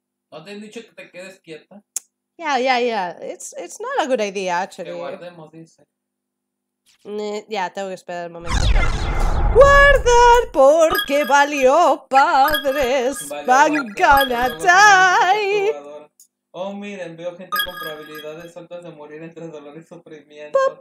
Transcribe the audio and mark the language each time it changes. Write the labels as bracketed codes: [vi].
[es] ¿No te han dicho que te quedes quieta? Ya. [en] It's not a good idea, actually. [es] Que guardemos, dice. Ya, tengo que esperar el momento. Guardar porque valió padres. Bangkanatai. Oh, miren, veo gente con probabilidades altas de morir entre dolor y sufrimiento.